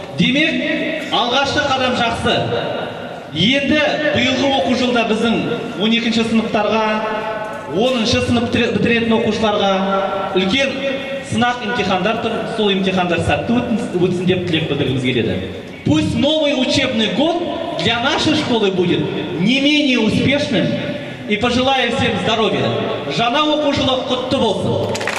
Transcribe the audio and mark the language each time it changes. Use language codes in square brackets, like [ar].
[kk] Демек, алғашқы қадам жақсы. Енді биылғы оқу жылда біздің 12-ші сыныптарға, 10-ші сынып бітіретін оқушыларға үлкен сынақ емтихандар тұр, сол емтихандар сәтті өтсін деп тілек білдіргіміз келеді. [ru] Пусть новый учебный год для нашей школы будет не менее успешным. И пожелаю всем здоровья. [kk] Жана оқушылы құтты болсын.